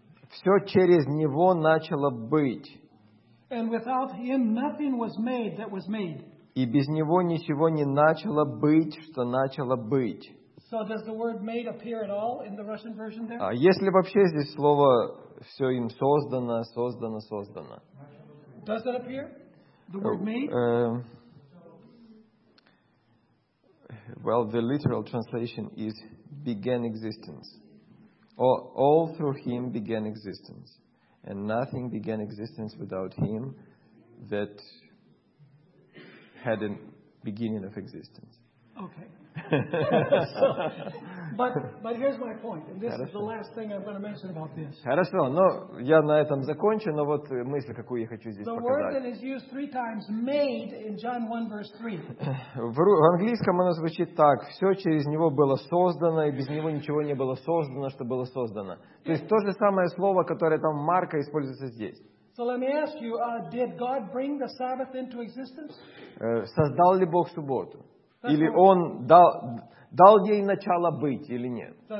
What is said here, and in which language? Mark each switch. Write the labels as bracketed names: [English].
[Russian] Все через него начало быть. [English] And without him nothing was made that was made. [Russian] И без него ничего не начало быть, что начало быть. [English] So does the word made appear at all in the Russian version there? [Russian] А если вообще здесь слово все им создано, создано, создано? [English] Does it appear? The word made? Well, the literal translation is began existence. Or all through him began existence. And nothing began existence without him that had a beginning of existence. Okay. but here's my point, and this [Russian] Хорошо. [English] Is the last thing I'm going to mention about this. [Russian] Хорошо, но я на этом закончу, но вот мысль, какую я хочу здесь [English] the [Russian] показать. [English] The word that is used three times, made, in John 1, verse 3. [Russian] В английском оно звучит так, все через него было создано, и без него ничего не было создано, что было создано. То есть то же самое слово, которое там Марка используется здесь. [English] So let me ask you, did God bring the Sabbath into existence? [Russian] Создал ли Бог субботу? Или он дал ей начало быть, или нет?